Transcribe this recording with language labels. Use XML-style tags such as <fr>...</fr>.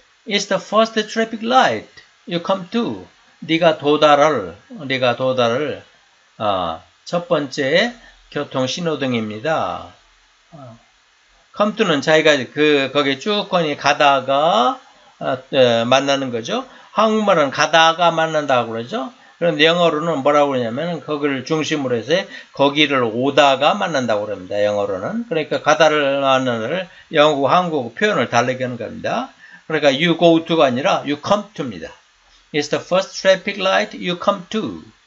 <en>It's the first traffic light you come to.</en> <ko>네가 도달을. 첫 번째 교통 신호등입니다. Come to는 자기가 거기 쭉 거니 가다가 만나는 거죠. 한국말은 가다가 만난다고 그러죠. 그런데 영어로는 뭐라고 그러냐면 거기를 중심으로 해서 거기를 오다가 만난다고 그럽니다. 영어로는. 그러니까 가다를 만나는 영국 한국 표현을 달리게 하는 겁니다. 그러니까 you go to가 아니라 you come to입니다.</ko> <en>It's the first traffic light you come to.</en>